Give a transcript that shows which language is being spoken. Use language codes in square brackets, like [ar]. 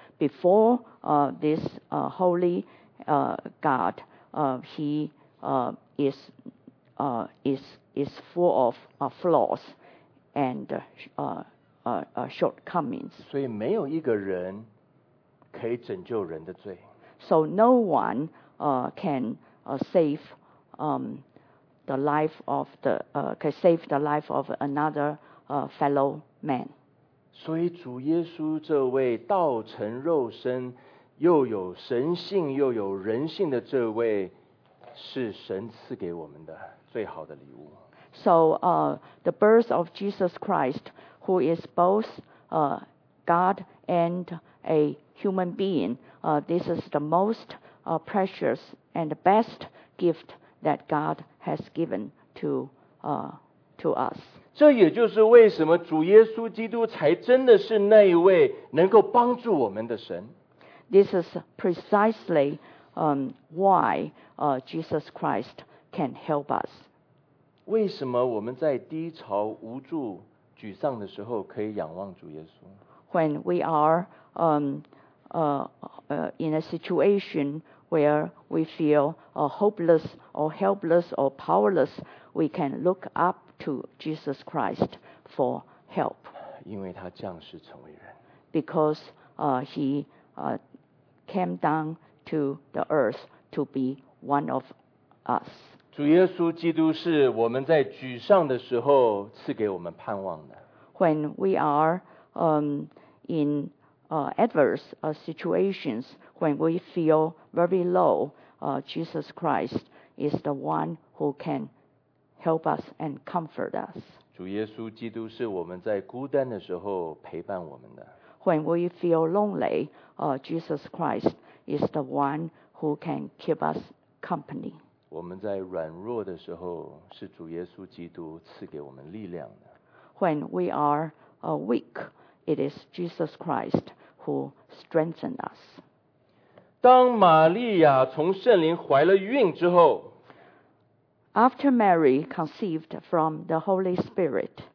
[en] Before this holy God, he is full of flaws and shortcomings. [zh] 所以没有一个人可以拯救人的罪。 [en] So no one can save the life of the can save the life of another fellow man. [zh] 所以主耶稣这位道成肉身，又有神性又有人性的这位，是神赐给我们的最好的礼物。 [en] So the birth of Jesus Christ, who is both God and a human being, this is the most precious and best gift that God has given to us. [zh] 这也就是为什么主耶稣基督才真的是那一位能够帮助我们的神。 [en] This is precisely why Jesus Christ can help us. [zh] 为什么我们在低潮、无助、沮丧的时候可以仰望主耶稣？ [en] When we are in a situation where we feel hopeless or helpless or powerless, we can look up to Jesus Christ for help. [zh] 因为他降世成为人。 [en] Because he came down to the earth to be one of us. [zh] 主耶稣基督是我们在沮丧的时候赐给我们盼望的。 [en] When we are in adverse situations, when we feel very low, Jesus Christ is the one who can help us and comfort us. [zh] 主耶稣基督是我们在孤单的时候陪伴我们的。 [en] When we feel lonely, Jesus Christ is the one who can keep us company. [zh] 我们在软弱的时候，是主耶稣基督赐给我们力量的。 [en] When we are weak, it is Jesus Christ who strengthens us. [zh] 当玛利亚从圣灵怀了孕之后， [en] After Mary conceived from the Holy Spirit,